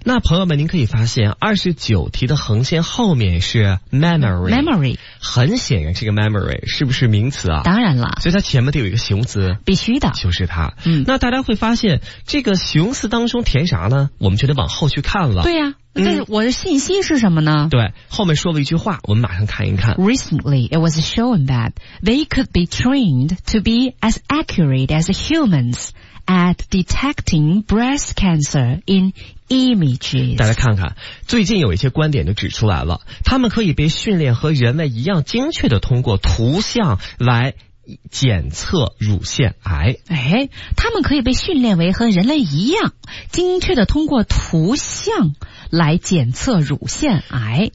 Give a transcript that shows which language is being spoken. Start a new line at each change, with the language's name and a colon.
Chinese: 那朋友们您可以发现29题的横线后面是 memory， 很显然这个 memory 是不是名词啊？当然了，所以它前面得有一个形容词，必须的，就是它、嗯、那大家会发现这个形容词当中填啥呢，我们就得往后去看了。对呀、啊，但是我的信息是什么呢、嗯、对，后面说了一句话，我们马上看一看。
English: Recently it was shown that they could be trained to be as accurate as humans at detecting breast cancer in images。
Chinese: 大家看看，最近有一些观点就指出来了，他们可以被训练和人类一样精确的通过图像来检测乳腺癌。哎，他们可以被训练为和人类一样精确的通过图像来检测乳腺癌。